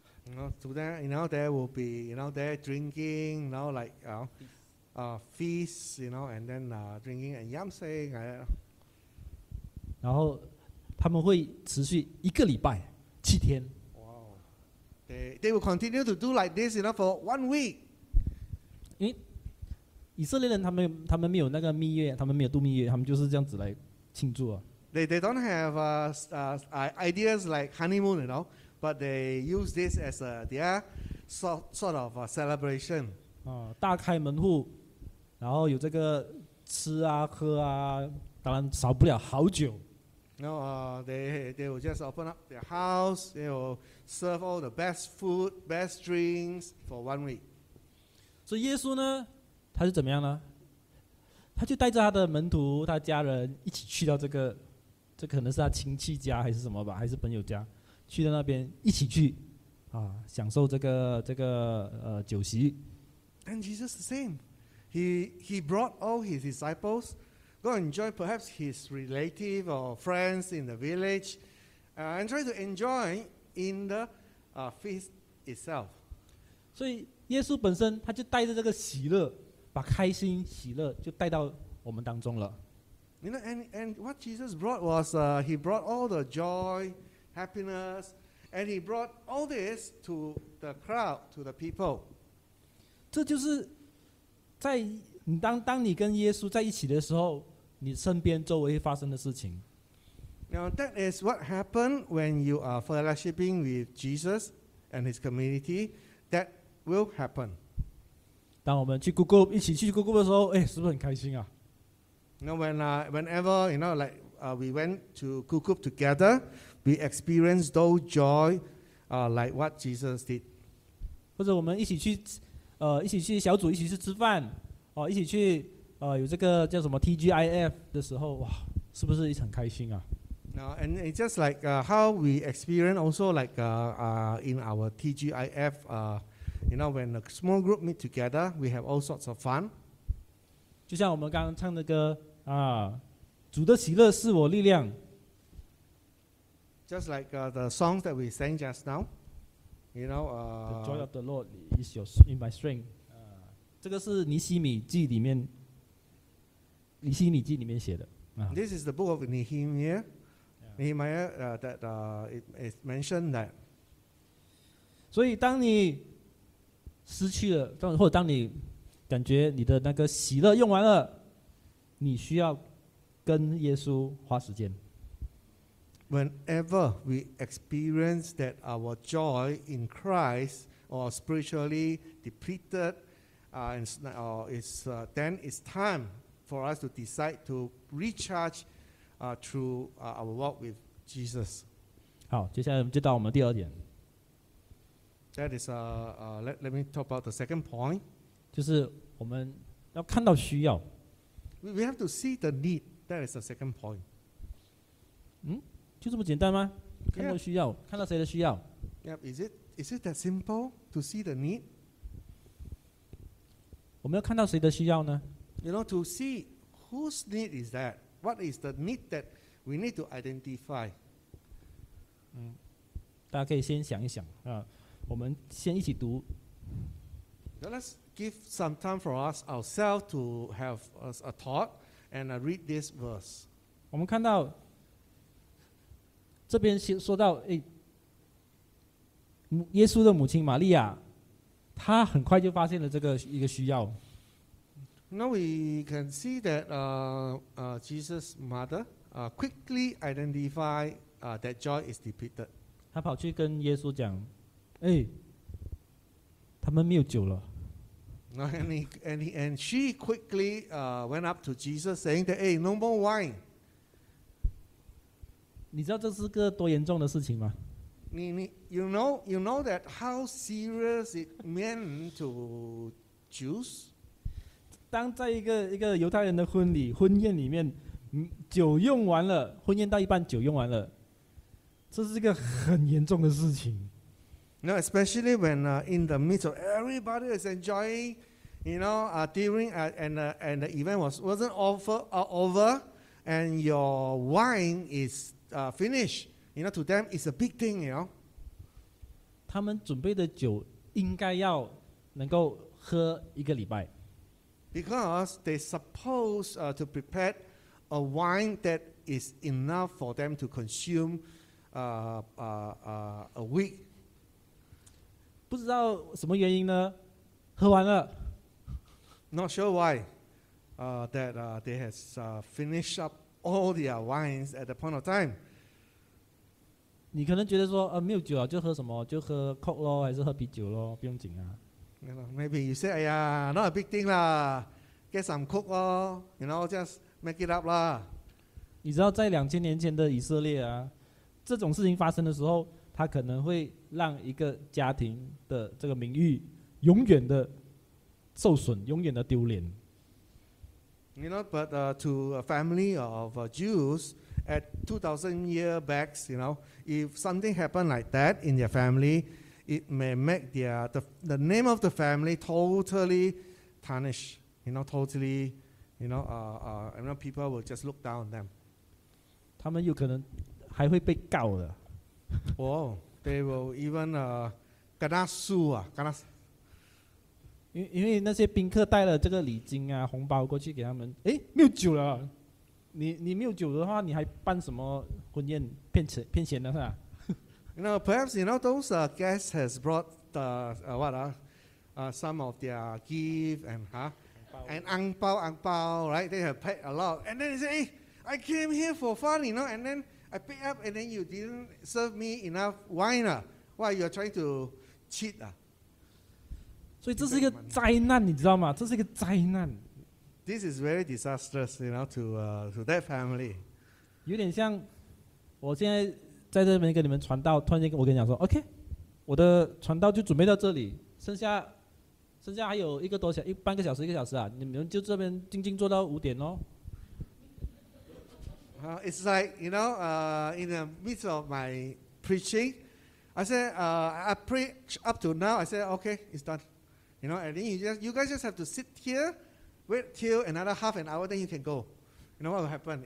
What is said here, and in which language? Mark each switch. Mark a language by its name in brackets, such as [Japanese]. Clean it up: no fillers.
[English] There will be, you know, there drinking, you know, like, feast, you know, and then drinking and yam sing. [Chinese] 然后他们会持续一个礼拜七天。 [English] Wow. They will continue to do like this, you know, for 1 week. [Chinese] 因为以色列人他们没有那个蜜月，他们没有度蜜月，他们就是这样子来庆祝啊。 [English] They don't have ideas like honeymoon, you know, but they use this as their sort of a celebration. [Chinese] 大开门户，然后有这个吃啊喝啊，当然少不了好酒。 [English] They will just open up their house. They will serve all the best food, best drinks for 1 week. [Chinese] 所以耶稣呢，他是怎么样呢？他就带着他的门徒、他的家人一起去到这个。这可能是他亲戚家还是什么吧，还是朋友家，去到那边一起去，享受这个酒席。 [English] And Jesus the same, he brought all his disciples, go enjoy perhaps his relative or friends in the village, and try to enjoy in the feast itself. [Chinese] 所以耶稣本身他就带着这个喜乐，把开心喜乐就带到我们当中了。 [English] You know, and what Jesus brought was he brought all the joy, happiness, and he brought all this to the crowd, to the people. [Chinese] 这就是在当你跟耶稣在一起的时候，你身边周围发生的事情。 [English] Now that is what happened when you are fellowshipping with Jesus and his community. That will happen. [Chinese] 当我们去 Google 一起去 Google 的时候，是不是很开心啊？ [English] You know, whenever you know, like we went to Kukup together, we experienced those joy, like what Jesus did. [Chinese] 或者我们一起去小组，一起去吃饭，一起去有这个叫什么 TGIF 的时候，哇，是不是一场开心啊？ [English] Now, and it's just like how we experience also like in our TGIF, you know, when a small group meet together, we have all sorts of fun. [Chinese] 就像我们刚刚唱的歌啊，主的喜乐是我力量。 [English] Just like the songs that we sang just now, you know, the joy of the Lord is your in my strength. [Chinese] 这个是尼希米记里面写的。 [English] This is the book of Nehemiah. Nehemiah, it mentioned that. [Chinese] 所以当你失去了，或者当你感觉你的那个喜乐用完了，你需要跟耶稣花时间。 [English] Whenever we experience that our joy in Christ or spiritually depleted, then it's time for us to decide to recharge through our walk with Jesus. [Chinese] 好，接下来我们就到我们第二点。 [English] That is let me talk about the second point. [Chinese] 就是我们要看到需要。 [English] We have to see the need. That is the second point. [Chinese] 就这么简单吗？看到需要，看到谁的需要 [English] ？Yep. Is it that simple to see the need? [Chinese] 我们要看到谁的需要呢 [English] ？You know, to see whose need is that? What is the need that we need to identify? [Chinese] 大家可以先想一想啊。我们先一起读。 [English] Let's give some time for us ourselves to have us a thought and read this verse. [Chinese] 我们看到这边说到，耶稣的母亲玛利亚，她很快就发现了这个一个需要。 [English] Now we can see that Jesus' mother quickly identify that joy is depleted. [Chinese] 她跑去跟耶稣讲。哎，他们没有酒了。 [English] And she quickly went up to Jesus saying that, "Hey, no more wine." [Chinese] 你知道这是个多严重的事情吗？ [English] You know that how serious it meant to Jews. [Chinese] 当在一个犹太人的婚礼婚宴里面，酒用完了，婚宴到一半酒用完了，这是一个很严重的事情。 [English] No, especially when in the midst of everybody is enjoying, you know, during and the event wasn't over, and your wine is finished. You know, to them, it's a big thing. You know, [Chinese] 他们准备的酒应该要能够喝一个礼拜 [English] because they suppose to prepare a wine that is enough for them to consume a week. [Chinese] 不知道什么原因呢？喝完了。 [English] Not sure why, they has finished up all their wines at the point of time. [Chinese] 你可能觉得说，没有酒了，就喝什么？就喝 Coke 咯，还是喝啤酒咯？不用紧啊。 [English] You know, maybe you say, 哎呀 ，not a big thing 啦 ，get some Coke 咯 ，you know, just make it up 啦。 [Chinese] 你知道在2000年前的以色列啊，这种事情发生的时候。他可能会让一个家庭的这个名誉永远的受损，永远的丢脸。 [English] You know, but to a family of Jews at 2,000 year back, you know, if something happened like that in their family, it may make the name of the family totally tarnished. You know, totally, you know, I mean, people will just look down on them. [Chinese] 他们有可能还会被告的。 [English] Oh, they will even [Malay] kena su ah, kena. [Chinese] Because 那些宾客带了这个礼金啊红包过去给他们，哎，没有酒了。你没有酒的话，你还办什么婚宴骗钱的是吧？ [English] You know, perhaps you know those guests has brought the some of their gift and ang pao, right? They have paid a lot, and then they say, "Hey, I came here for fun," you know, and then. I pay up and then you didn't serve me enough wine. Why you are trying to cheat? [Chinese] 所以这是一个灾难，你知道吗？这是一个灾难。 [English] This is very disastrous, you know, to that family. [Chinese] 有点像我现在在这边跟你们传道，突然间我跟你讲说 ，OK， 我的传道就准备到这里，剩下还有一个多小时，半个小时，一个小时啊，你们就这边静静坐到五点喽。 [English] It's like, you know, in the midst of my preaching, I said, I preach up to now, I said, okay, it's done. You know, and then you guys just have to sit here, wait till another half an hour, then you can go. You know, what will happen?